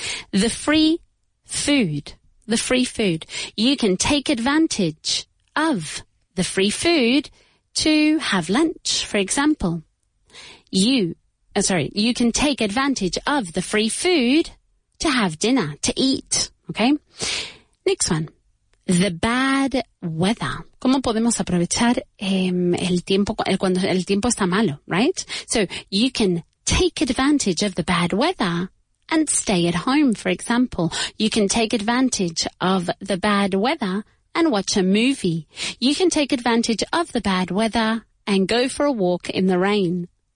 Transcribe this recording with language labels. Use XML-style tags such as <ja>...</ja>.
<en>The free food. The free food. You can take advantage of the free food to have lunch, for example. You can take advantage of the free food to have dinner, to eat, okay? Next one, the bad weather.</en> <es>¿Cómo podemos aprovechar el tiempo está malo, right?</es> <en>So you can take advantage of the bad weather and stay at home, for example. You can take advantage of the bad weather and watch a movie. You can take advantage of the bad weather and go for a walk in the rain.</en>